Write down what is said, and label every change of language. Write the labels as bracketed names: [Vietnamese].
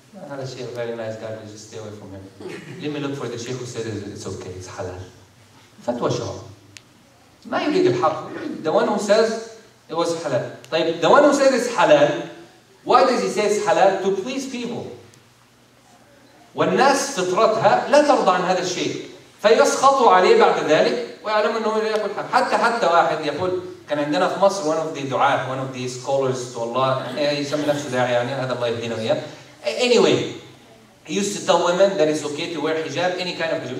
[Arabic] هذا الشيخ [English] very nice guy, but just stay away from him. Let me look for the sheikh who said it's okay, it's halal. [Arabic] فتوى شعر. ما يريد الحق. [English] The one who says it was halal. [Arabic] طيب, [English] the one who says it's halal, why does he say it's halal? To please people. [Arabic] والناس فطرتها لا ترضى عن هذا الشيء. فيسخطوا عليه بعد ذلك ويعلموا أنه لا يقول الحق. حتى واحد يقول كان عندنا في مصر [English] one of the [Arabic] دعاة, [English] one of the scholars to Allah, [Arabic] يسمي نفسه داعي يعني, هذا الله يهدينا وياه. [English] Anyway, he used to tell women that it's okay to wear hijab, any kind of hijab.